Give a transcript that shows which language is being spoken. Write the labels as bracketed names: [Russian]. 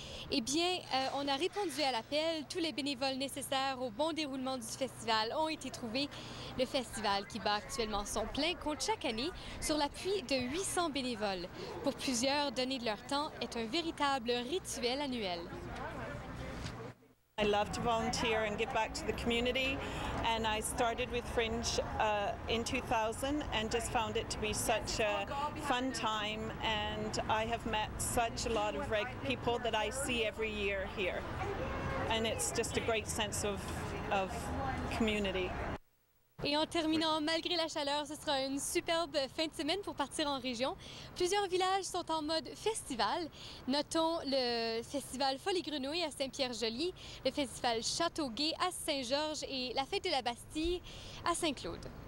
[French] Eh bien, on a répondu à l'appel. Tous les bénévoles nécessaires au bon déroulement du festival ont été trouvés. Le festival, qui bat actuellement son plein, compte chaque année sur l'appui de 800 bénévoles. Pour plusieurs, donner de leur temps est un véritable rituel annuel. [English] I love to volunteer and give back to the community, and I started with Fringe in 2000 and just found it to be such a fun time, and I have met such a lot of people that I see every year here, and it's just a great sense of community. [French] Et en terminant, malgré la chaleur, ce sera une superbe fin de semaine pour partir en région. Plusieurs villages sont en mode festival. Notons le festival Folie Grenouille à Saint-Pierre-Joly, le festival Châteauguay à Saint-Georges et la fête de la Bastille à Saint-Claude.